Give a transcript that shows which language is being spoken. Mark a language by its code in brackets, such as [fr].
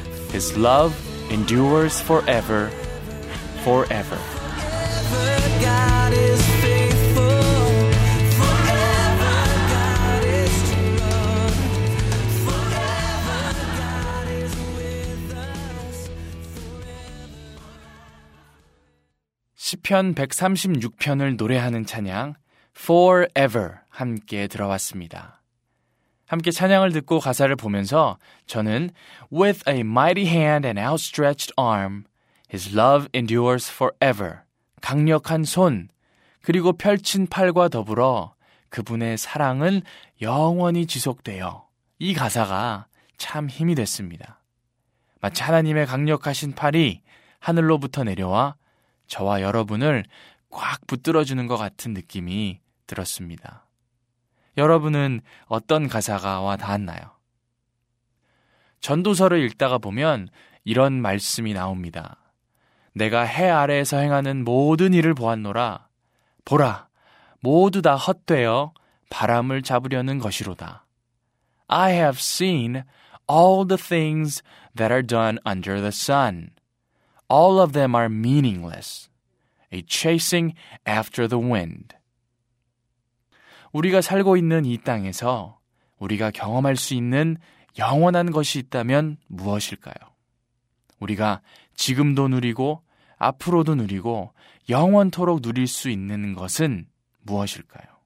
[en] His love endures forever, forever. God is faithful, forever God is to love, forever God is with us, forever. [ko] 시편 136편을 노래하는 찬양 Forever 함께 들어왔습니다. 함께 찬양을 듣고 가사를 보면서 저는 [en] With a mighty hand and outstretched arm, His love endures forever. [ko] 강력한 손, 그리고 펼친 팔과 더불어 그분의 사랑은 영원히 지속되어 이 가사가 참 힘이 됐습니다. 마치 하나님의 강력하신 팔이 하늘로부터 내려와 저와 여러분을 꽉 붙들어주는 것 같은 느낌이 들었습니다. 여러분은 어떤 가사가 와 닿았나요? 전도서를 읽다가 보면 이런 말씀이 나옵니다. 내가 해 아래에서 행하는 모든 일을 보았노라. 보라, 모두 다 헛되어 바람을 잡으려는 것이로다. [en] I have seen all the things that are done under the sun. All of them are meaningless. A chasing after the wind. [ko] 우리가 살고 있는 이 땅에서 우리가 경험할 수 있는 영원한 것이 있다면 무엇일까요? 우리가 지금도 누리고 앞으로도 누리고 영원토록 누릴 수 있는 것은 무엇일까요?